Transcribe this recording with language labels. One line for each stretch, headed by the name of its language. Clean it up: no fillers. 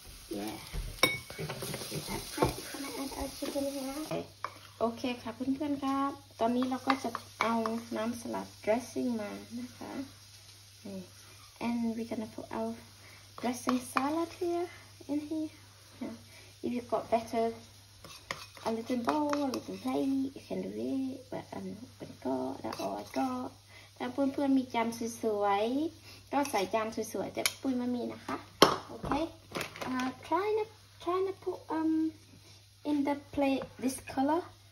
English: Yeah. Okay, I'm gonna add our chicken here.
Thai: Okay, ค่ะ เพื่อนๆ ครับ ตอนนี้เราก็จะเอาน้ำสลัด dressing มานะคะ
English: And we're gonna put our dressing salad here, in here. If you got better. A little bowl, a little plate, you can do it, but I'm not going to go, that's all I got.
Thai: ถ้าเพื่อนๆมีจานสวยๆก็ใส่จานสวยๆจะปุ้ยมามีนะคะ
English: Okay, try to put in the plate this color.